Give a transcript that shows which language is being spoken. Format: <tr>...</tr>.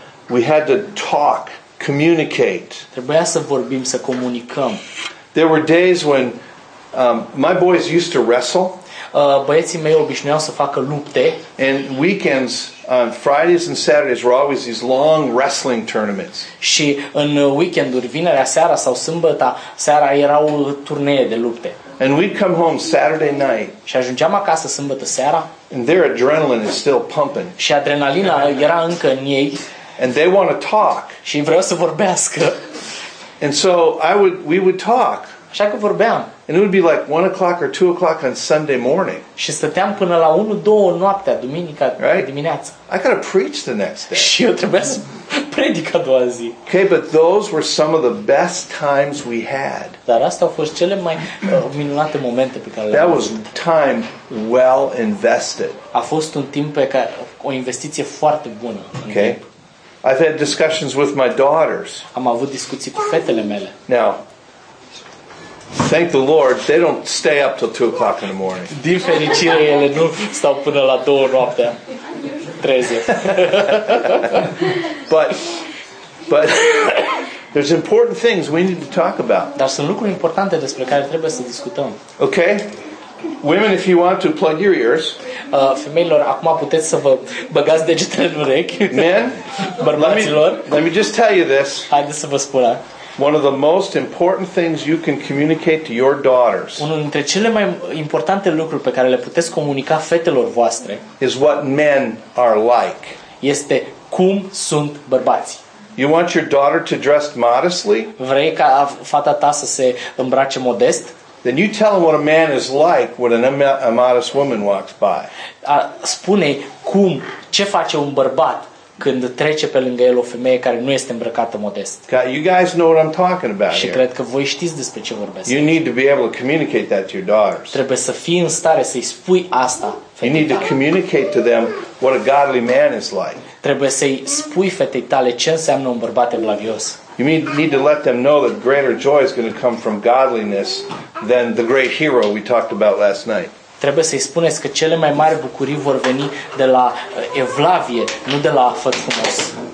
<en>We had to talk, communicate.</en> <ro>Trebuia să vorbim, să comunicăm.</ro> <en>There were days when my boys used to wrestle.</en> <ro>Băieții mei obișnuiau să facă lupte.</ro> <en>And weekends, on Fridays and Saturdays, were always these long wrestling tournaments.</en> <ro>Și în weekenduri, vinerea seara sau sâmbătă seara, erau turnee de lupte.</ro> <en>And we'd come home Saturday night.</en> <ro>Și ajungeam acasă sâmbătă seara.</ro> <en>And their adrenaline is still pumping.</en> <ro>Și adrenalina era încă în ei.</ro> <en>And they want to talk.</en> <ro>Și vreau să vorbească.</ro> <en>And so we would talk.</en> <ro>Așa că vorbeam.</ro> <en>And it would be like 1 o'clock or 2 o'clock on Sunday morning.</en> <ro>Și stăteam până la 1-2 noaptea, duminica dimineață.</ro> <en>I gotta preach the next day.</en> <ro>Și eu trebuia să predic a doua zi.</ro> <en>Okay, but those were some of the best times we had.</en> <ro>Dar astea au fost cele mai minunate momente pe care le-am avut.</ro> <en>That was time well invested.</en> <ro>A fost un timp pe care o investiție foarte bună.</ro> <en>Okay. I've had discussions with my daughters.</en> <ro>Am avut discuții cu fetele mele.</ro> <en>Now, thank the Lord, they don't stay up till 2 o'clock in the morning.</en> <ro>Din fericire, ele nu stau până la 2 noaptea. Treze.</ro> <en>But there's important things we need to talk about.</en> <ro>Dar sunt lucruri importante despre care trebuie să discutăm.</ro> <en>Okay? Women, if you want to plug your ears.</en> <ro>Femeilor, acum puteți să vă băgați degetele în urechi.</ro> <en>Men,</en> <ro>bărbaților,</ro> <en>let me just tell you this.</en> <ro>Haideți să vă spun.</ro> <en>One of the most important things you can communicate to your daughters.</en> <ro>Unul dintre cele mai importante lucruri pe care le puteți comunica fetelor voastre</ro> <en>is what men are like.</en> <ro>Este cum sunt bărbații.</ro> <en>You want your daughter to dress modestly?</en> <ro>Vrei ca fata ta să se îmbrace modest?</ro> <en>Then you tell her what a man is like when an immodest woman walks by.</en> <ro>Spune-i cum, ce face un bărbat când trece pe lângă el o femeie care nu este îmbrăcată modest.</ro> <en>You guys know what I'm talking about.</en> <ro>Și cred că voi știți despre ce vorbesc.</ro> <en>You need to be able to communicate that to your daughters.</en> <ro>Trebuie să fii în stare să-i spui asta.</ro> <en>You need to communicate to them what a godly man is like.</en> <ro>Trebuie să-i spui fetei tale ce înseamnă un bărbat evlavios.</ro> <en>You need to let them know that greater joy is going to come from godliness than the great hero we talked about last night.</en> <ro>Trebuie să-i spuneți că cele mai mari bucurii vor veni de la evlavie, nu de la făt frumos.</ro>